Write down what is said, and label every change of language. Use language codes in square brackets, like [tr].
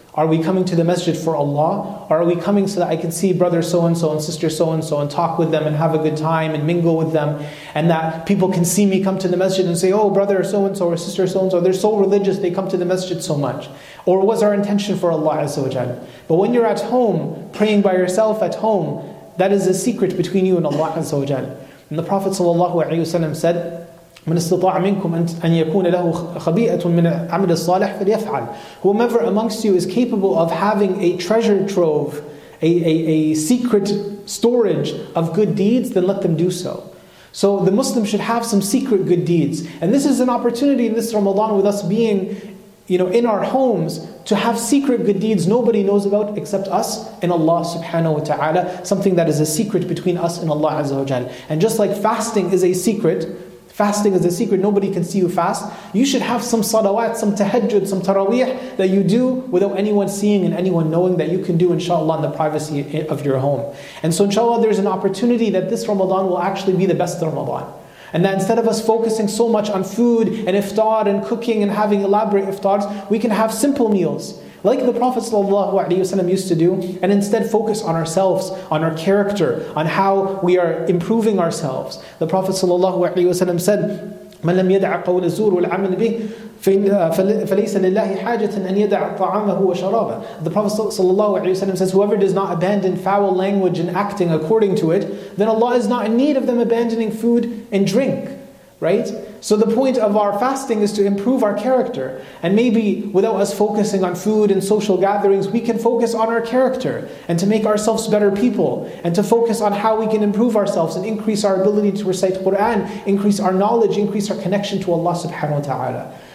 [en] Are we coming to the masjid for Allah? Or are we coming so that I can see brother so-and-so and sister so-and-so and talk with them and have a good time and mingle with them, and that people can see me come to the masjid and say, oh, brother so-and-so or sister so-and-so, they're so religious, they come to the masjid so much. Or was our intention for Allah azza wa jal? But when you're at home, praying by yourself at home, that is a secret between you and Allah azza wa jal. [ar] And the Prophet sallallahu alayhi wa sallam said, من استطاع منكم أن يكون له خبيئة من عمل الصالح فليفعل. [en] Whomever amongst you is capable of having a treasure trove, a secret storage of good deeds, then let them do so. So the Muslim should have some secret good deeds. And this is an opportunity in this Ramadan with us being, you know, in our homes, to have secret good deeds nobody knows about except us and Allah subhanahu wa ta'ala. Something that is a secret between us and Allah azza wa jal. And just like fasting is a secret, fasting is a secret, nobody can see you fast. You should have some salawat, some tahajjud, some taraweeh that you do without anyone seeing and anyone knowing, that you can do inshallah in the privacy of your home. And so inshallah there's an opportunity that this Ramadan will actually be the best Ramadan. And that instead of us focusing so much on food and iftar and cooking and having elaborate iftars, we can have simple meals. Like the Prophet ﷺ used to do, and instead focus on ourselves, on our character, on how we are improving ourselves. [ar] The Prophet ﷺ said, "من لم يدع قول الزور والعمل به فليس لله حاجة أن يدع طعامه وشرابه." [en] The Prophet ﷺ says, "Whoever does not abandon foul language and acting according to it, then Allah is not in need of them abandoning food and drink." Right? So the point of our fasting is to improve our character. And maybe without us focusing on food and social gatherings, we can focus on our character and to make ourselves better people and to focus on how we can improve ourselves and increase our ability to recite Quran, increase our knowledge, increase our connection to Allah subhanahu wa ta'ala.